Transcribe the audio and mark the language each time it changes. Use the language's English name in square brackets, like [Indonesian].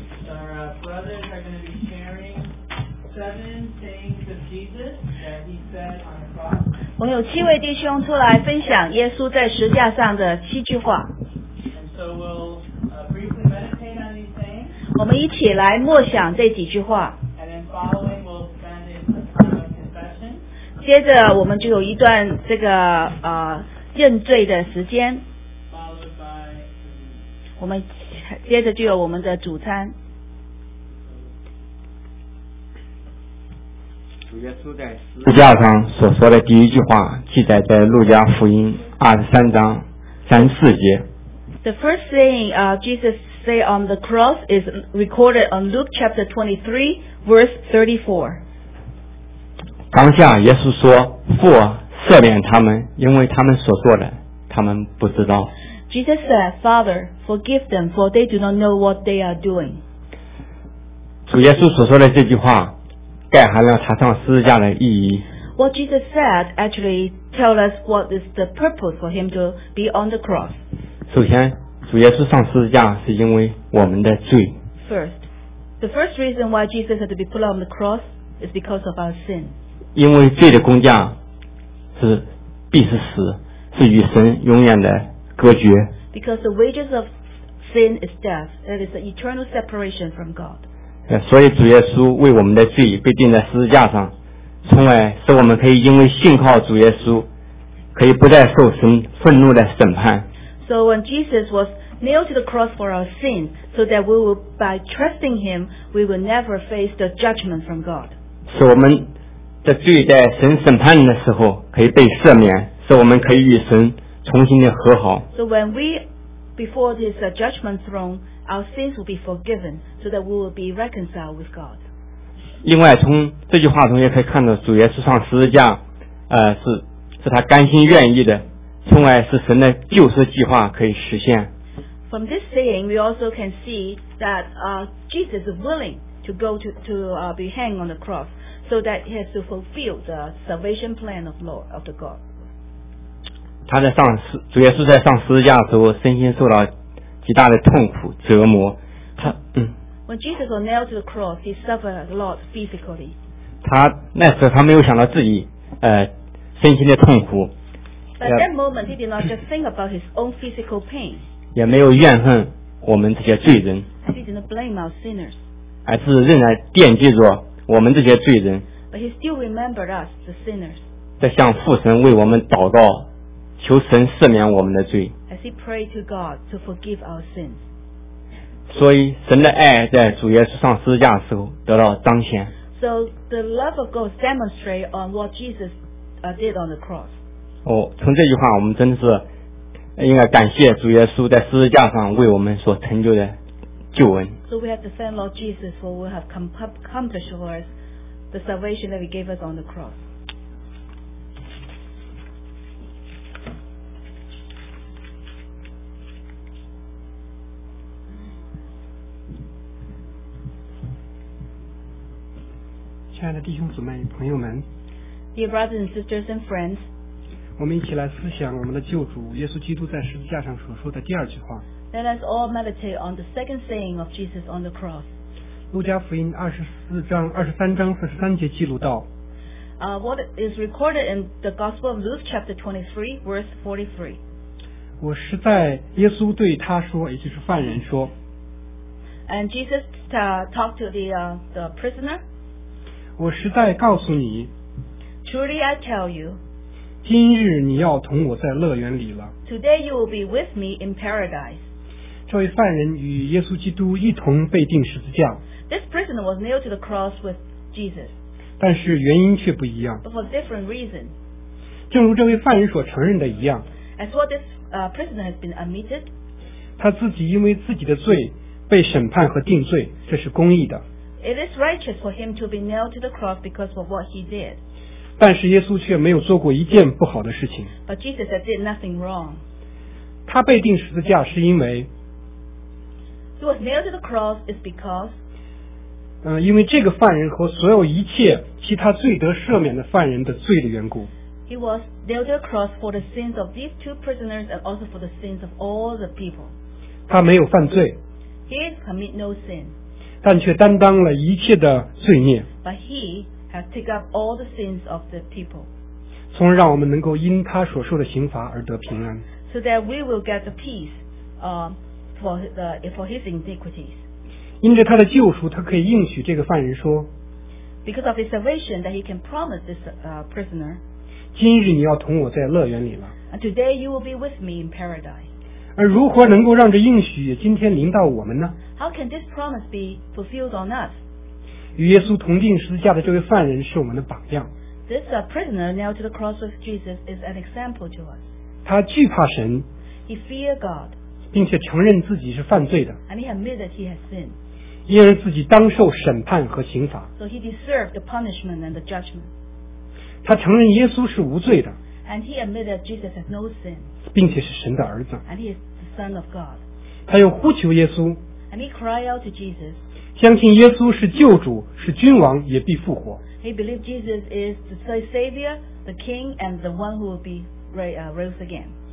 [English] Our brothers are going to be sharing seven things of Jesus that he said on the cross. [Chinese] 我们有七位弟兄出来分享耶稣在十字架上的七句话。 [English] So we'll briefly meditate on these things. [Chinese] 我们一起来默想这几句话。 [English] And then following, we'll spend in a time of confession. [Chinese] 接着我们就有一段这个认罪的时间。 [English] Followed by, [Chinese] 我们接着就有我们的主餐。主耶稣在十字架上所说的第一句话记载在路加福音23:34。 [English] The first thing Jesus say on the cross is recorded on Luke chapter 23:34. [Chinese] 当下耶稣说：“父啊，赦免他们，因为他们所做的，他们不知道。” [English] Jesus said, "Father, forgive them, for they do not know what they are doing." [Chinese] 主耶稣所说的这句话。盖含了他上十字架的意义。 [English] What Jesus said actually tells us what is the purpose for him to be on the cross. [Chinese] 首先，主耶稣上十字架是因为我们的罪。 [English] First, the first reason why Jesus had to be put on the cross is because of our sin. [Chinese] 因为罪的工价是必是死，是与神永远的隔绝。 [English] Because the wages of sin is death, that is the eternal separation from God. [Chinese] 所以主耶稣为我们的罪被钉在十字架上，从而使我们可以因为信靠主耶稣，可以不再受神愤怒的审判。 [English] So when Jesus was nailed to the cross for our sin, so that we will, by trusting him, we will never face the judgment from God. [Chinese] 使我们的罪在神审判的时候可以被赦免，使我们可以与神重新的和好。 [English] So when we, before this judgment throne,Our sins will be forgiven so that we will be reconciled with God. [Chinese] 另外从这句话中也可以看到主耶稣上十字架是他甘心愿意的，从而使神的救赎计划可以实现。 [English] From this saying, we also can see that Jesus is willing to go to be hanged on the cross so that he has to fulfill the salvation plan of Lord, of the God. [Chinese] 主耶稣在上十字架的时候身心受到极大的痛苦折磨他、 [English] When Jesus was nailed to the cross, he suffered a lot physically. [Chinese] 他那时候他没有想到自己身心的痛苦。 [English] But at that moment, he did not just think about his own physical pain. [Chinese] 也没有怨恨我们这些罪人。 [English] He did not blame our sinners. [Chinese] 而是仍然惦记着我们这些罪人。 [English] But he still remembered us, the sinners. [Chinese] 在向父神为我们祷告，求神赦免我们的罪。 [English] As he prayed to God to forgive our sins. [Chinese] 所以神的爱在主耶稣上十字架的时候得到彰显。 [English] So the love of God demonstrated on what Jesus did on the cross. [Chinese] 从这句话我们真的是应该感谢主耶稣在十字架上为我们所成就的救恩。 [English] So we have to thank Lord Jesus for what have accomplished for us, the salvation that he gave us on the cross. [Chinese] 亲爱的弟兄姊妹朋友们 [English] Dear brothers and sisters and friends [Chinese] 我们一起来思想我们的救主耶稣基督在十字架上所说的第二句话 [English] Let us all meditate on the second saying of Jesus on the cross [Chinese] 路加福音23:43记录到、 [English] What is recorded in the Gospel of Luke chapter 23:43 [Chinese] 我实在耶稣对他说也就是犯人说 [English] And Jesus talked to the prisoner [Chinese] 我实在告诉你 [English] Truly I tell you [Chinese] 今日你要同我在乐园里了 [English] Today you will be with me in paradise [Chinese] 这位犯人与耶稣基督一同被钉十字架 [English] This prisoner was nailed to the cross with Jesus [Chinese] 但是原因却不一样 [English] But for different reason [Chinese] 正如这位犯人所承认的一样 [English] As what this prisoner has been admitted [Chinese] 他自己因为自己的罪被审判和定罪这是公义的 [English] It is righteous for him to be nailed to the cross because of what he did. [Chinese] 但是耶稣却没有做过一件不好的事情。 [English] But Jesus did nothing wrong. [Chinese] 他被钉十字架是因为 [English] He was nailed to the cross is because [Chinese] 因为这个犯人和所有一切其他罪得赦免的犯人的罪的缘故。 [English] He was nailed to the cross for the sins of these two prisoners and also for the sins of all the people. [Chinese] 他没有犯罪。 [English] He didn't commit no sin. [Chinese] 但却担当了一切的罪孽。 [English] But he has taken up all the sins of the people. [Chinese] 从而让我们能够因他所受的刑罚而得平安。 [English] So that we will get the peace, for his iniquities. [Chinese] 因着他的救赎，他可以应许这个犯人说。 [English] Because of his salvation, that he can promise this prisoner. [Chinese] 今日你要同我在乐园里了。 [English] And today you will be with me in paradise. [Chinese] 而如何能够让这应许今天临到我们呢？ [English] How can this promise be fulfilled on us? [Chinese] 与耶稣同钉十字架的这位犯人是我们的榜样。 [English] This prisoner nailed to the cross with Jesus is an example to us. [Chinese] 他惧怕神。 [English] He feared God. [Chinese] 并且承认自己是犯罪的。 [English] And he admitted that he has sinned. [Chinese] 因而自己当受审判和刑罚。 [English] So he deserved the punishment and the judgment. [Chinese] 他承认耶稣是无罪的。 [English] And he admitted that Jesus has no sin. [Chinese] 并且是神的儿子。 [English] And he is the son of God. [Chinese] 他又呼求耶稣。 [English] And he cried out to Jesus. [Chinese] 相信耶稣是救主，是君王，也必复活。 [English] He believed Jesus is the Savior, the King, and the one who will be raised again.